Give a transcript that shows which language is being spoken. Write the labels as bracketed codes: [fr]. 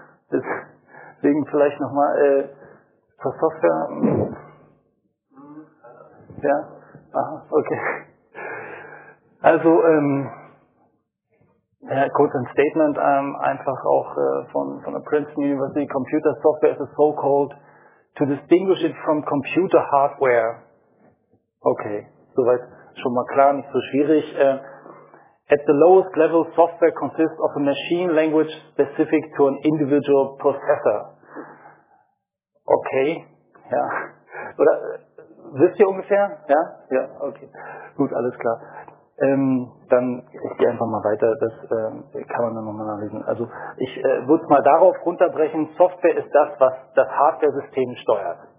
[de] Deswegen vielleicht nochmal zur Software. Ja? Aha, okay. Also, kurz ein Statement, einfach auch von der Princeton University. [en] Computer Software is a so-called to distinguish it from computer hardware. [de] Okay, soweit schon mal klar, nicht so schwierig. [en] At the lowest level, software consists of a machine language specific to an individual processor. [de] Okay, ja. Oder wisst ihr ungefähr? Ja? Ja, okay. Gut, alles klar. Dann, ich gehe einfach mal weiter, das kann man dann nochmal nachlesen. Also ich würde es mal darauf runterbrechen, Software ist das, was das Hardware-System steuert.